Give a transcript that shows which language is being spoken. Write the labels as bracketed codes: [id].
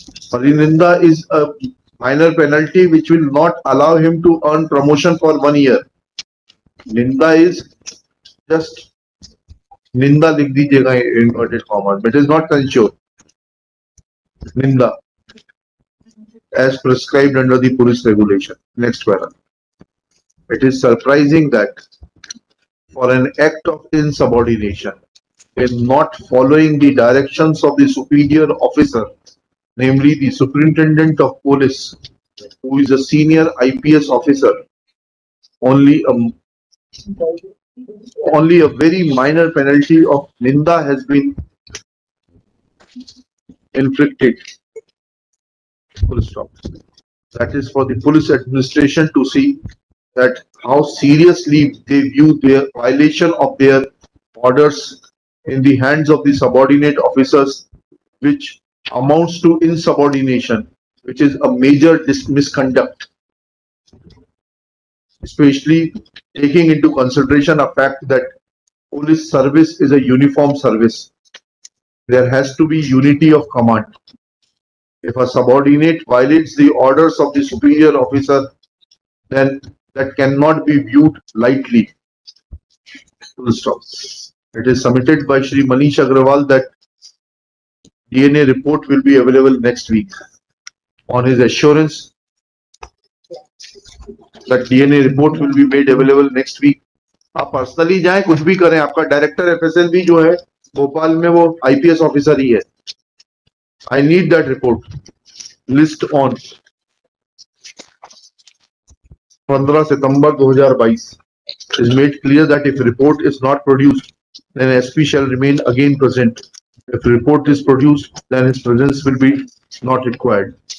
[en] Par ninda is a minor penalty which will not allow him to earn promotion for 1 year. Ninda is just [hi] निंदा लिख दीजिएगा [en] Inverted commas, but is not concern ninda as prescribed under the police regulation. Next para, it is surprising that for an act of insubordination in not following the directions of the superior officer namely the superintendent of police who is a senior IPS officer Only a very minor penalty of Ninda has been inflicted. Full stop. That is for the police administration to see that how seriously they view their violation of their orders in the hands of the subordinate officers, which amounts to insubordination, which is a major misconduct. Especially taking into consideration a fact that police service is a uniform service. There has to be unity of command. If a subordinate violates the orders of the superior officer, then that cannot be viewed lightly. It is submitted by Shri Manish Agrawal that DNA report will be available next week on his assurance. That DNA report will be made available next week. [hi] आप personally जाए कुछ भी करें, आपका director FSL भी जो है भोपाल में वो IPS ऑफिसर ही है. [en] I need that report. List on 15 September 2022 is made clear that if report is not produced, then SP shall remain again present. If report is produced, then his presence will be not required.